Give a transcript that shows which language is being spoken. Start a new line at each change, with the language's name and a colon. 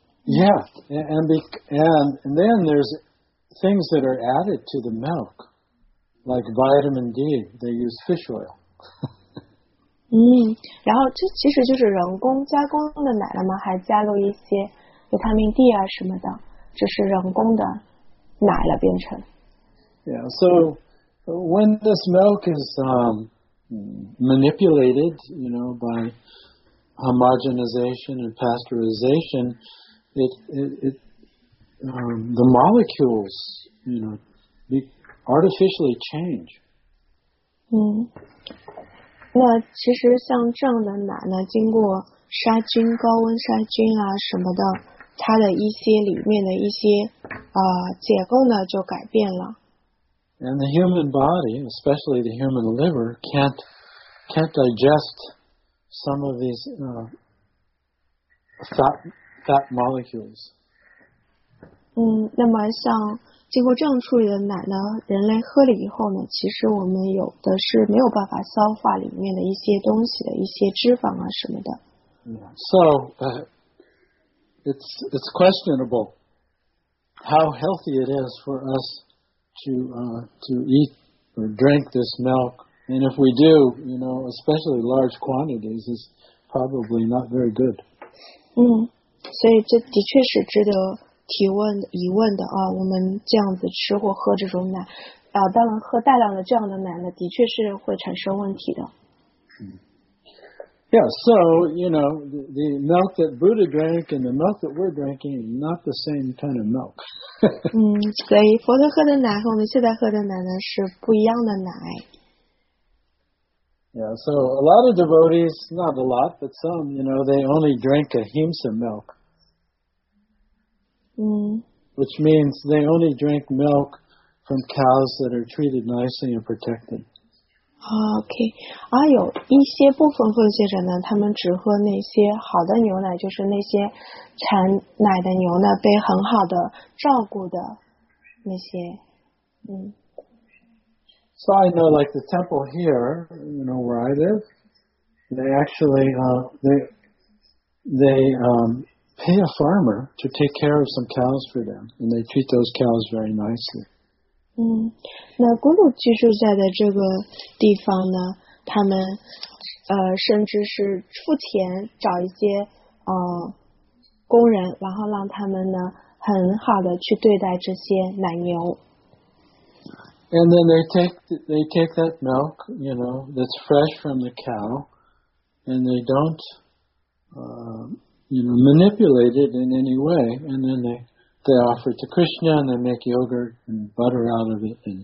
English: Yeah, and then there's things that are added to the milk, like vitamin D. They use fish oil.
Chinese: 然后这其实就是人工加工的奶了吗？还加入一些维他命 D 啊什么的，这是人工的奶了变成。
English: Yeah. So when this milk is manipulated, you know, by homogenization and pasteurization, the molecules, you know, artificially change.
Chinese: 那其实像这样的奶呢，经过杀菌、高温杀菌啊什么的，它的一些里面的一些结构呢就改变了。
English: And the human body, especially the human liver, can't digest. Some of these fat molecules.
Chinese: 那么像经过这样处理的奶呢，人类喝了以后呢，其实我们有的是没有办法消化里面的一些东西的一些脂肪啊什么的。
English: So, it's questionable how healthy it is for us to eat or drink this milk. And if we do, you know, especially large quantities, it's probably not very good.
Chinese: 所以这的确是值得提问疑问的啊，我们这样子吃或喝这种奶，啊，当然喝大量的这样的奶呢，的确是会产生问题的。
English: Yeah, so, you know, the milk that Buddha drank and the milk that we're drinking is not the same kind of milk.
Chinese: 所以佛陀喝的奶和我们现在喝的奶呢是不一样的奶。
English: Yeah, so a lot of devotees, not a lot, but some, you know, they only drink ahimsa milk. Which means they only drink milk from cows that are treated nicely and protected.
Chinese: OK, 啊，有一些部分奉献者呢，他们只喝那些好的牛奶，就是那些产奶的牛呢，被很好的照顾的那些，
English: So I know, like the temple here, you know where I live, they actually pay a farmer to take care of some cows for them, and they treat those cows very nicely.
Chinese: 那咕噜居住在的这个地方呢，他们甚至是付钱找一些工人，然后让他们呢很好的去对待这些奶牛。
English: And then they take that milk, you know, that's fresh from the cow, and they don't, you know, manipulate it in any way. And then they offer it to Krishna, and they make yogurt and butter out of it.